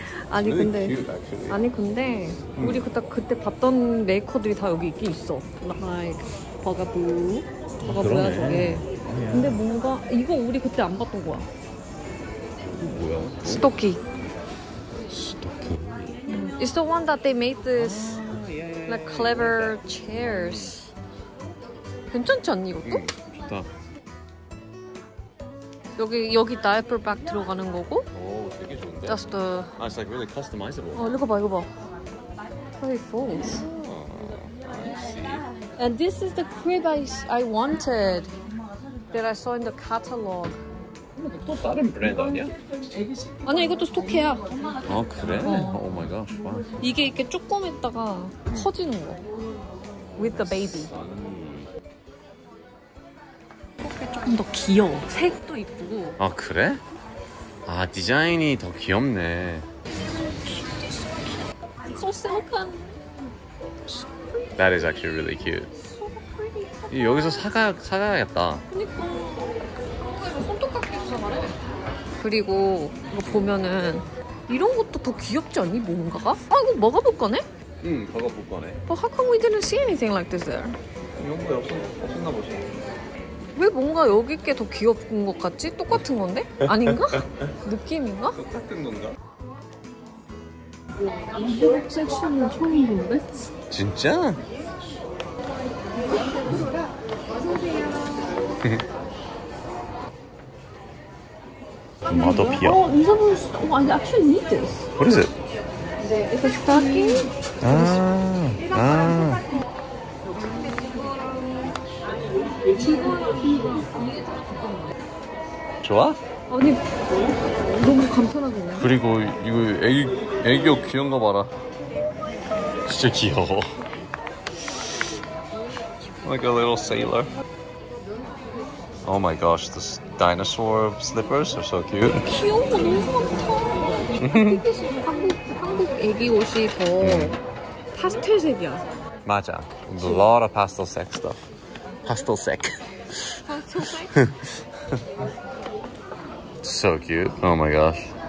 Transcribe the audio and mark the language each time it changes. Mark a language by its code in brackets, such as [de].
[ko] 아니 근데 아니 근데 우리 그때 봤던 메이커들이 다 여기 있긴 있어. Like 버가부. 버가부야 그러네. 저게. [en] Yeah. [ko] 근데 뭔가 이거 우리 그때 안 봤던 거야. 뭐야? 스토키. 스토키. [en] It's the one that they made this like clever chairs. [ko] 괜찮지 않니 이것도? 좋다. 여기 다이퍼 백 들어가는 거고. 오, 되게 좋은데. [en] That's the. It's like really customizable. [ko] 어, 이거 봐. [en] How it folds. And this is the crib I wanted that I saw in the catalog. [ko] 또 다른 브랜드 아니야? 아니 이것도 스토키야. 아 그래? 오 마이 갓. 이게 이렇게 조금 있다가 커지는 거. [en] With the baby. [ko] 이게 조금 더 귀여워. 색도 이쁘고. 아 그래? 아 디자인이 더 귀엽네. 소 실컨. [en] That is actually really cute. So pretty. [ko] 여기서 사가야겠다. 그러니까 손톱깎이도 잘해. 그리고 이거 보면은 이런 것도 더 귀엽지 않니 뭔가가? 아 이거 먹어볼 거네? 응, 먹어볼 거네. [en] But how come we didn't see anything like this there? [ko] 영국에 없었나 보지. 왜 뭔가 여기 게 더 귀여운 것 같지? 똑같은 건데? 아닌가? 느낌인가? 똑같은 건가? 이복 섹션은 처음인데? 진짜? 어서오세요. 마더 피아. 어, 이 사람은 [en] I actually need this. What is it? It's a stocking. [ko] 아, 아. 좋아? 아니, 너무 간편하네. 그리고 이거 애기 애기옷 귀여운 거 봐라. 진짜 귀여워. [en] Like a little sailor. Oh my gosh, this dinosaur slippers are so cute. [ko] 귀여워, 너무 많다. 한국 애기옷이 더 파스텔색이야. 맞아. [en] A lot of pastel sec stuff. Pastel sec. Pastel sec? So cute. Oh my gosh.